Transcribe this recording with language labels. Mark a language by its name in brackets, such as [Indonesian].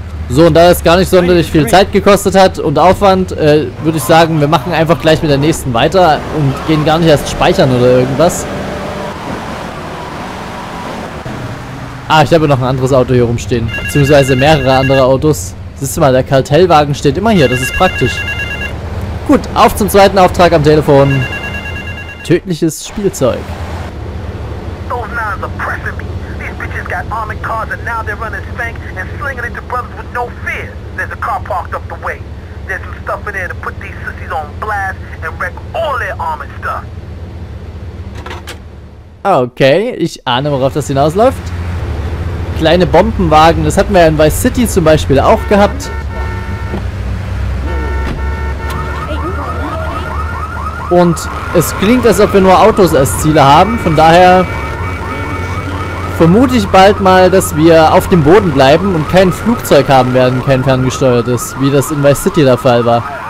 [German] So, und da es gar nicht sonderlich viel Zeit gekostet hat und Aufwand, würde ich sagen, wir machen einfach gleich mit der nächsten weiter und gehen gar nicht erst speichern oder irgendwas. Ah, ich habe noch ein anderes Auto hier rumstehen. Beziehungsweise mehrere andere Autos. Siehst du mal, der Kartellwagen steht immer hier, das ist praktisch. Gut, auf zum zweiten Auftrag am Telefon. tödliches Spielzeug. [English] Those nines are pressing me. These bitches got armored cars and now they're running spank and slinging into brothers with no fear. There's a car parked up the way. There's some stuff in there to put these sissies on blast and wreck all their armored stuff. [German] Okay, ich ahne, worauf das hinausläuft. Kleine Bombenwagen, das hatten wir ja in Vice City zum Beispiel auch gehabt. Und es klingt, als ob wir nur Autos als Ziele haben. Von daher vermute ich bald mal, dass wir auf dem Boden bleiben und kein Flugzeug haben werden, kein ferngesteuertes, wie das in Vice City der Fall war.